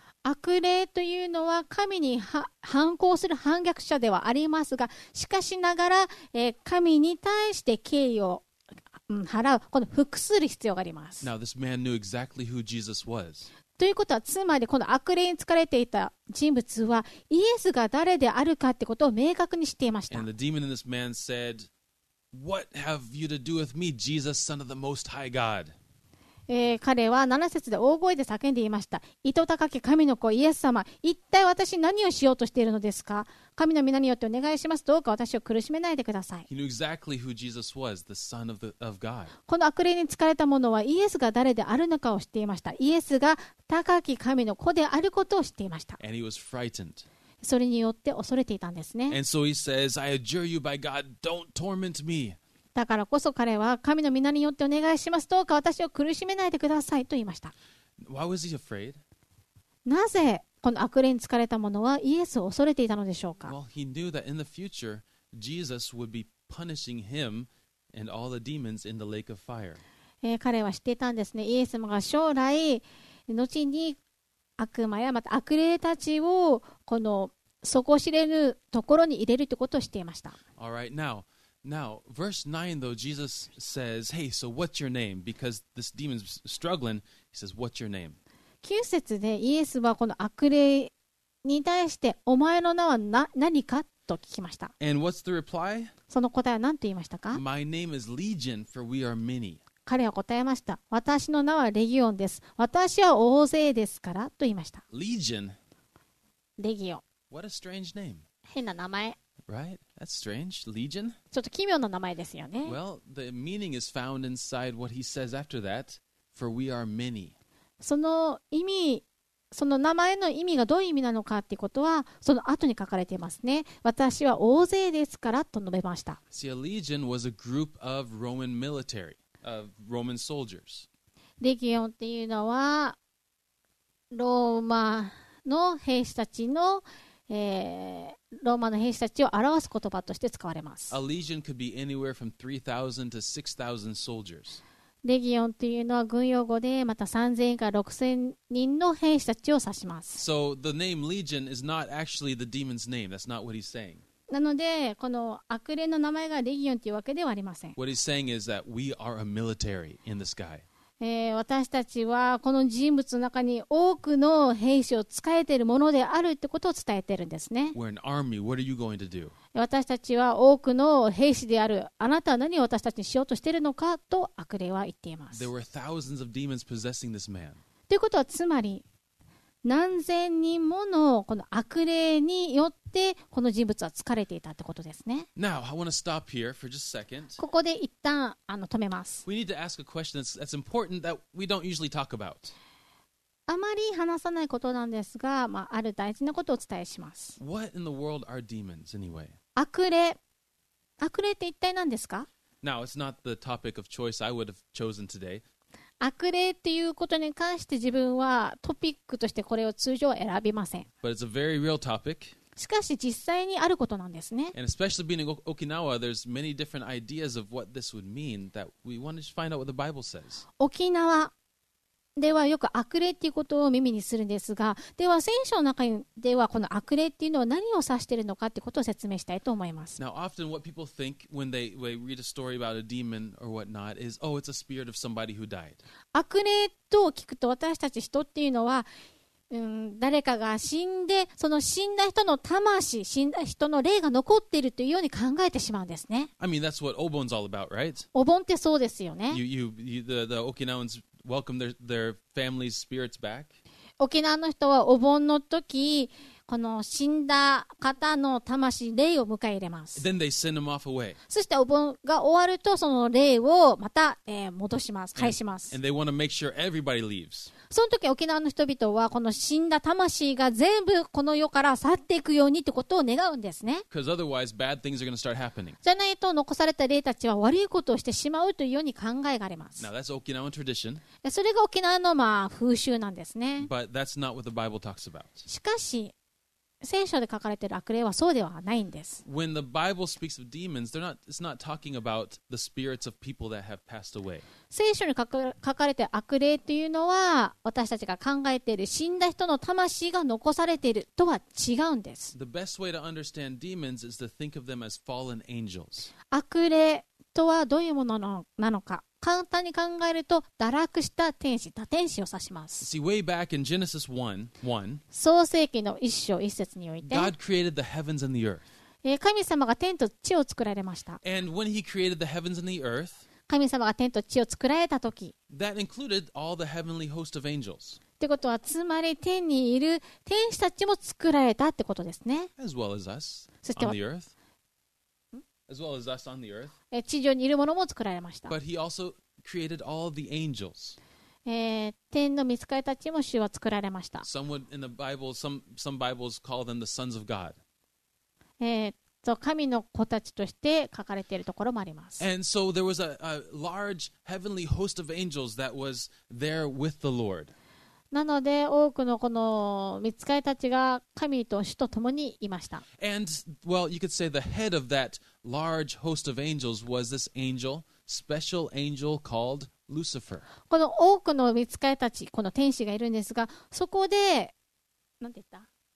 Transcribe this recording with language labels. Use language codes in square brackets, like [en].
[ja] 悪霊というのは神に反抗する反逆者ではありますが、しかしながら、神に対して敬意を、払う、この服する必要があります。 [en] Now this man knew exactly who Jesus was. [ja] ということはつまりこの悪霊に疲れていた人物はイエスが誰であるかってことを明確に知っていました。 [en] And the demon in this man said,What have you to do with me, Jesus, Son of the Most High God? [ja] 彼は7節で大声で叫んでいました。糸高き神の子イエス様、一体私何をしようとしているのですか？神の皆によってお願いします。どうか私を苦しめないでください。 [en] He knew exactly who Jesus was, the Son of God. [ja] この悪霊に疲れた者はイエスが誰であるのかを知っていました。イエスが高き神の子であることを知っていました。 [en] And he was frightened. [ja] それによって恐れていたんですね。 [en] And so he says, I adjure you by God, don't torment me. [ja] だからこそ彼は神の御名によってお願いします。どうか私を苦しめないでくださいと言いました。 [en] Why was he afraid? [ja] なぜこの悪霊に疲れた者はイエスを恐れていたのでしょうか? [en] Well, he knew that in the future, Jesus would be punishing him and all the demons in the lake of fire. [ja] 彼は知っていたんですね。イエス様が将来、後に悪魔やまた悪霊たちをこの底知れぬところに入れるということをしていました。 [en] All right, now, verse 9 though, Jesus says, Hey, so what's your name? Because this demon's struggling, he says, What's your name? [ja] 9節でイエスはこの悪霊に対して、お前の名は何かと聞きました。 [en] And what's the reply? [ja] その答えは何と言いましたか? [en] My name is Legion, for we are many. [ja] 彼は答えました。私の名はレギオンです。私は大勢ですからと言いました。 [en] Legion? [ja] レギオン。 [en] What a strange name. [ja] 変な名前。 [en] Right? That's strange. Legion? [ja] ちょっと奇妙な名前ですよね。 [en] Well, the meaning is found inside what he says after that, for we are many. [ja] その意味、その名前の意味がどういう意味なのかってことはその後に書かれていますね。私は大勢ですからと述べました。 [en] See, a legion was a group of Roman military, of Roman soldiers. [ja] レギオンっていうのはローマの兵士たちの、ローマの兵士たちを表す言葉として使われます。 [en] A legion could be anywhere from 3,000 to 6,000 soldiers. [ja] レギオンというのは軍用語でまた3000人から6000人の兵士たちを指します。 [en] So the name Legion is not actually the demon's name. That's not what he's saying. [ja] なのでこの悪霊の名前がレギオンというわけではありません。 [en] What he's saying is that we are a military in the sky. [ja] 私たちはこの人物の中に多くの兵士を使えているものであるってことを伝えているんですね。 [en] We're an army. What are you going to do? [ja] 私たちは多くの兵士である。あなたは何を私たちにしようとしているのかと悪霊は言っています。 [en] There were thousands of demons possessing this man. [ja] ということはつまり何千人ものこの悪霊によってこの人物は疲れていたってことですね。 [en] Now, I want to stop here for just a second. [ja] ここで一旦止めます。 [en] We need to ask a question that's important that we don't usually talk about. [ja] あまり話さないことなんですが、まあ、ある大事なことをお伝えします。 [en] What in the world are demons anyway? [ja] 悪霊って一体何ですか? [en] Now, it's not the topic of choice I would have chosen today. [ja] 悪霊っていうことに関して自分はトピックとしてこれを通常選びません。 [en] But it's a very real topic. [ja] しかし実際にあることなんですね。 [en] And especially being in Okinawa, there's many different ideas of what this would mean that we want to find out what the Bible says. [ja] 沖縄ではよく悪霊っていうことを耳にするんですが、では聖書の中ではこの悪霊っていうのは何を指しているのかってことを説明したいと思います。 [en] Now, often what people think when they read a story about a demon or whatnot is, oh, it's a spirit of somebody who died. [ja] 悪霊と聞くと私たち人っていうのは、誰かが死んで、その死んだ人の魂、死んだ人の霊が残っているというように考えてしまうんですね。 [en] I mean, that's what Obon's all about, right? [ja] お盆ってそうですよね。 [en] The Okinawans welcome their family's spirits back. [ja] 沖縄の人はお盆の時、この死んだ方の魂、霊を迎え入れます。 [en] Then they send them off away. [ja] そしてお盆が終わると、その霊をまた、戻します、返します。 [en] And they want to make sure everybody leaves. [ja] その時沖縄の人々はこの死んだ魂が全部この世から去っていくようにってことを願うんですね。 [en] Because otherwise, bad things are going to start happening. [ja] じゃないと残された霊たちは悪いことをしてしまうというように考えがあります。 [en] Now, that's Okinawan tradition. [ja] それが沖縄のまあ風習なんですね。 [en] But that's not what the Bible talks about. [ja] しかし、聖書で書かれている悪霊はそうではないんです。 [en] When the Bible speaks of demons, it's not talking about the spirits of people that have passed away. [ja] 聖書に書かれている悪霊というのは、私たちが考えている死んだ人の魂が残されているとは違うんです。 [en] The best way to understand demons is to think of them as fallen angels. [ja] 悪霊とはどういうものなのか。簡単に考えると堕落した天使、堕天使を指します。 [en] See, way back in Genesis 1, [ja] 創世記の一章一節において、 [en] God created the heavens and the earth. [ja] 神様が天と地を作られました。 [en] And when he created the heavens and the earth, [ja] 神様が天と地を作られた時、 [en] that included all the heavenly host of angels. [ja] ってことはつまり天にいる天使たちも作られたってことですね。 [en] As well as us on the earth. As well as us on the earth. [ja] 地上にいるものも作られました。 [en] But he also created all the angels. [ja] 天の御使いたちも主は作られました。 [en] Some would in the Bible, some Bibles call them the sons of God. [ja] 神の子たちとして書かれているところもあります。 [en] And so there was a large heavenly host of angels that was there with the Lord. [ja] なので多くのこの御使いたちが神と主と共にいました。 [en] And, well, you could say the head of that large host of angels was this angel, special angel called Lucifer. [ja] この多くの御使いたち、この天使がいるんですが、そこで、なんて言った?